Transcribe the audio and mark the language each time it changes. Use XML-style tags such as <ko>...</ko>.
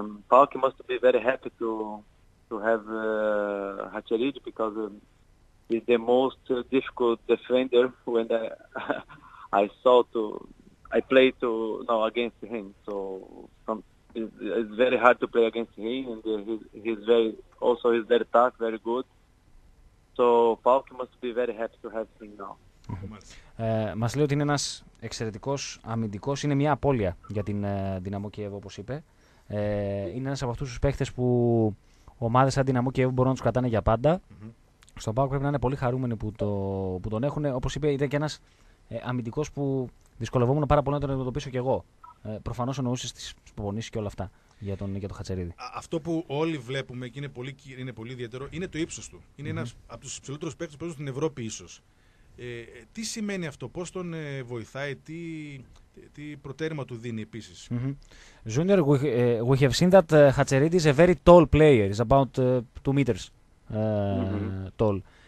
<en>Pauk must be very happy to have Hachelid because he's the most difficult defender when I played against him. So it's very hard to play against him, and he's very tough, very good. So Pauk must be very happy to have him now.</en> <el>Μας λέει ότι είναι ένας εξαιρετικός αμυντικός, είναι μια απώλεια για την Δυναμό Κιέβο, όπως είπε. Είναι ένας από αυτούς τους παίχτες που ομάδες σαν Δυναμό Κιέβου μπορούν να τους κρατάνε για πάντα. Mm-hmm. Στον ΠΑΟΚ πρέπει να είναι πολύ χαρούμενοι που τον έχουν. Όπως είπε, ήταν και ένας αμυντικός που δυσκολευόμουν πάρα πολύ να τον αντιμετωπίσω κι εγώ. Προφανώς εννοούσε τις προπονήσεις και όλα αυτά για τον Χατσερίδη. Αυτό που όλοι βλέπουμε και είναι πολύ ιδιαίτερο είναι το ύψος του. Είναι ένας από τους υψηλότερους παίχτες που παίζουν στην Ευρώπη ίσως. Τι σημαίνει αυτό, πώς τον βοηθάει, τι προτέρημα του δίνει επίσης.</el> <en>Junior, we have seen that Hatseridis is a very tall player, is about 2 meters tall.</en>